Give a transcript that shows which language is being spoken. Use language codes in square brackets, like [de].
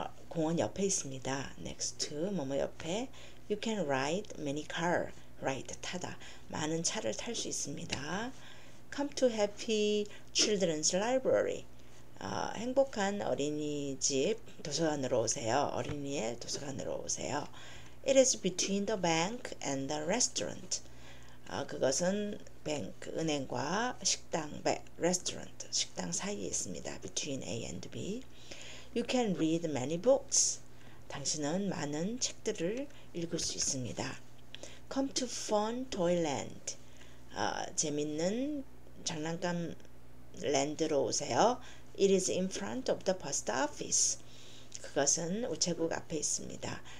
[ko] 공원 옆에 있습니다. [en] Next to, [ko] 뭐뭐 옆에. [en] You can ride many cars. Ride, [ko] 타다. 많은 차를 탈수 있습니다. [en] Come to Happy Children's Library. [ko] 행복한 어린이집 도서관으로 오세요. 어린이의 도서관으로 오세요. [en] It is between the bank and the restaurant. [ko] 그것은 bank, 은행과 식당, restaurant, 식당 사이에 있습니다. [en] Between A and B. You can read many books. [ko] 당신은 많은 책들을 읽을 수 있습니다. [en] Come to Fun Toyland. [ko] 재밌는 장난감 랜드로 오세요. [en] It is in front of the post office. [ko] 그것은 우체국 앞에 있습니다.